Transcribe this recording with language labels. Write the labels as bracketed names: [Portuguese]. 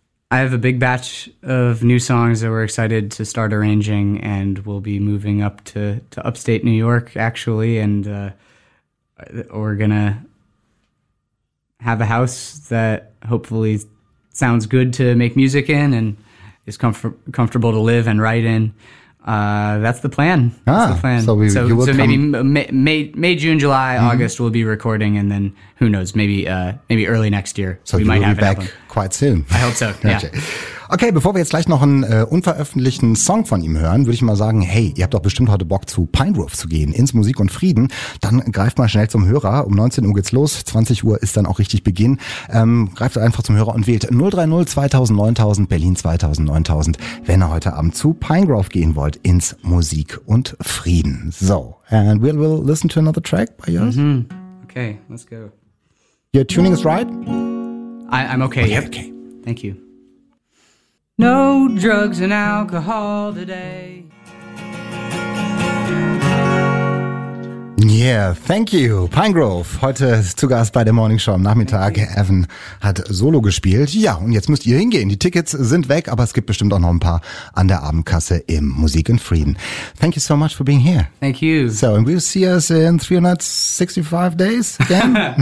[English] I have a big batch of new songs that we're excited to start arranging, and we'll be moving up to upstate New York, actually, and we're going to have a house that hopefully sounds good to make music in and is comfortable to live and write in. That's the plan. So maybe May, June, July, mm-hmm. August, we'll be recording, and then who knows, maybe early next year. So we might have back album. Quite soon. I hope so. Yeah. [German] Okay, bevor wir jetzt gleich noch einen unveröffentlichten Song von ihm hören, würde ich mal sagen, hey, ihr habt doch bestimmt heute Bock zu Pine Grove zu gehen, ins Musik und Frieden. Dann greift mal schnell zum Hörer. Um 19 Uhr geht's los. 20 Uhr ist dann auch richtig Beginn. Greift einfach zum Hörer und wählt 030 2000 9000 Berlin 2000 9000, wenn ihr heute Abend zu Pine Grove gehen wollt, ins Musik und Frieden. [English] So, and we'll listen to another track by yours. Mm-hmm. Okay, let's go. Your tuning is right? I'm okay. Okay, yep. Okay. Thank you. No drugs and alcohol today. Yeah, thank you, Pine Grove. [German] Heute zu Gast bei der Morning Show am Nachmittag. Evan hat Solo gespielt. Ja, und jetzt müsst ihr hingehen. Die Tickets sind weg, aber es gibt bestimmt auch noch ein paar an der Abendkasse im Musik und Frieden. [English] Thank you so much for being here. Thank you. So, and we'll see us in 365 days again?